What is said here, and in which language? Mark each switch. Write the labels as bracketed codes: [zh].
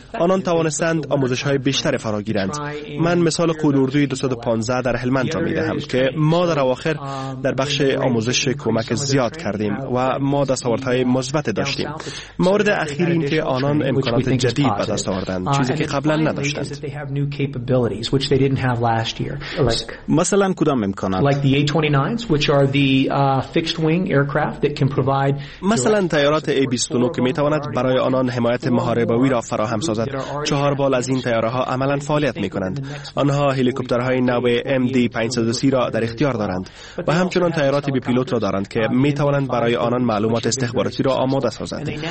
[fa] آنان توانستند آموزش های بیشتر فرا گیرند. من مثال قول اردوی 215 در هلمند را می‌دهم که ما در اواخر در بخش آموزش کمک زیاد کردیم و ما دستاوردهای مثبت داشتیم. مورد اخیر این که آنان امکانات جدید به دست آوردند، چیزی که قبلا نداشتند. [en] Capabilities which they didn't have last year. [fa] مثلاً کدام امکانات؟ [en] Like the A-29s, which are the fixed-wing aircraft that can provide. [fa] مثلاً تیارات A-29 که می‌تواند برای آنان حمایت محاربایی را فراهم سازد. چهار بال از این تیارها عملاً فعالیت می‌کنند. آنها هلیکوپترهای نوع MD-530 را در اختیار دارند. و همچنین تیارات بی‌پیلوت را دارند که می‌تواند برای آنان معلومات استخباراتی را آماده سازد.